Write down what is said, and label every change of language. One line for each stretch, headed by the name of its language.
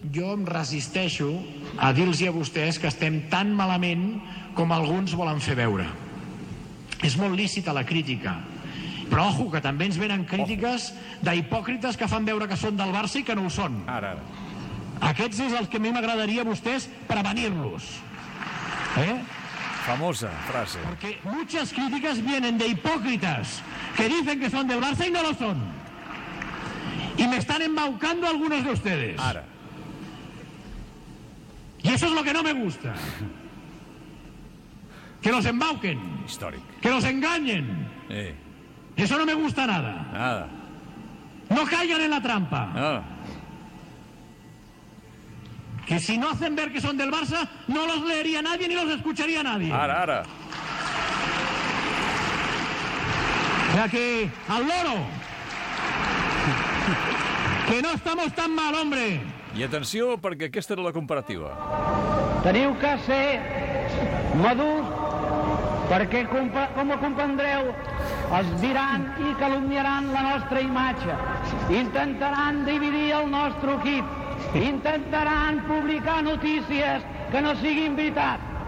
Catalan: Jo em resisteixo a dir-los a vostès que estem tan malament com alguns volen fer veure. És molt lícita la crítica. Però ojo, que també ens venen crítiques d'hipòcrites que fan veure que són del Barça i que no ho són. Ara. Aquests és els que a mi m'agradaria a vostès prevenir-los. Eh? Famosa frase.
Spanish: Porque muchas críticas vienen de hipócritas que dicen que son del Barça y no lo son. Y me están embaucando algunos de ustedes.
Catalan: Ara.
Spanish: Y eso es lo que no me gusta. Que los embauquen.
Catalan: Històric.
Spanish: Que los engañen. Eso no me gusta nada. Nada. No caigan en la trampa. Que si no hacen ver que son del Barça, no los leería nadie ni los escucharía nadie.
Catalan: Ara.
Spanish: O sea que, al loro. Que no estamos tan mal, hombre.
Catalan: I atenció, perquè aquesta era la comparativa. Teniu que ser madurs, perquè, com ho comprendreu, es diran i calumniaran la nostra imatge. Intentaran dividir el nostre equip. Intentaran publicar notícies que no siguin veritat.